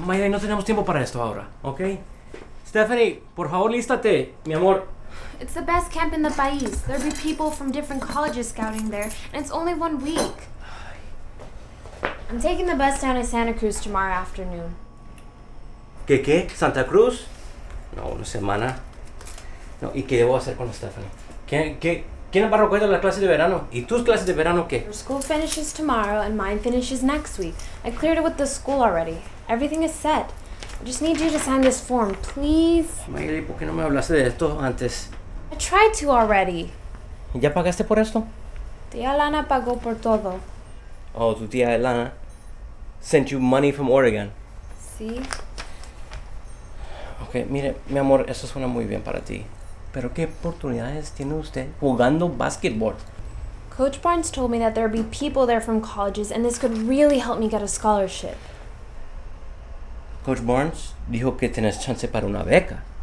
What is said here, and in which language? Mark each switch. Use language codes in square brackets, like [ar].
[es] Maya, no tenemos tiempo para esto ahora, ¿ok? Stephanie, por favor, lístate, mi amor. [en] It's the best camp in the país. There'll be people from different colleges scouting there, and it's only 1 week. I'm taking the bus down to Santa Cruz tomorrow afternoon. [es] ¿Qué, qué? ¿Santa Cruz? No, una semana. No, ¿y qué debo hacer con Stephanie? ¿Quién va a recoger la clase de verano? ¿Y tus clases de verano qué? [en] Your school finishes tomorrow and mine finishes next week. I cleared it with the school already. Everything is set. I just need you to sign this form, please. [es] Mayra, ¿por qué no me hablaste de esto antes? [en] I tried to already. [es] ¿Y ya pagaste por esto? Tía Elena pagó por todo. [en] Oh, [es] tu tía [en] Elena sent you money from Oregon. [es] Sí. Okay, mire, mi amor, eso suena muy bien para ti. ¿Pero qué oportunidades tiene usted jugando basketball? [en] Coach Barnes told me that there would be people there from colleges and this could really help me get a scholarship. [es] Coach Barnes dijo que tienes chance para una beca.